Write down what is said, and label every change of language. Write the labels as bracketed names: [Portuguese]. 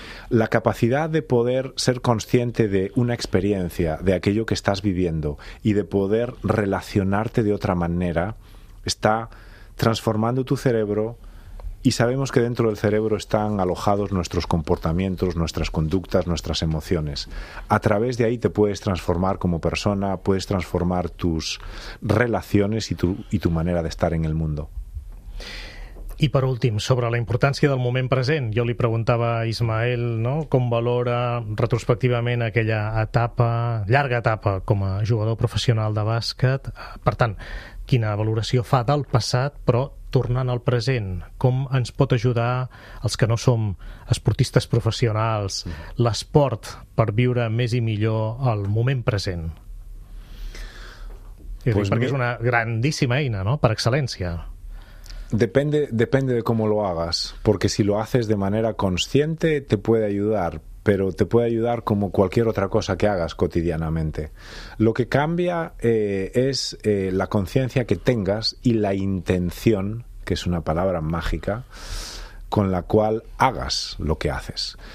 [Spanish] La capacidad de poder ser consciente de una experiencia, de aquello que estás viviendo, y de poder relacionarte de otra manera, está transformando tu cerebro. Y sabemos que dentro del cerebro están alojados nuestros comportamientos, nuestras conductas, nuestras emociones. A través de ahí te puedes transformar como persona, puedes transformar tus relaciones y tu manera de estar en el mundo. [Catalan] I per últim, sobre la importància del moment present. Jo li preguntava a Ismael, no?, com valora retrospectivament aquella etapa, llarga etapa, com a jugador professional de bàsquet. Per tant, quina valoració fa del passat, però tornant al present, com ens pot ajudar els que no som esportistes professionals, l'esport, per viure més i millor el moment present? Pues perquè és una grandíssima eina, no?, per excel·lència. [Spanish] Depende de cómo lo hagas, porque si lo haces de manera consciente te puede ayudar, pero te puede ayudar como cualquier otra cosa que hagas cotidianamente. Lo que cambia es la conciencia que tengas y la intención, que es una palabra mágica, con la cual hagas lo que haces.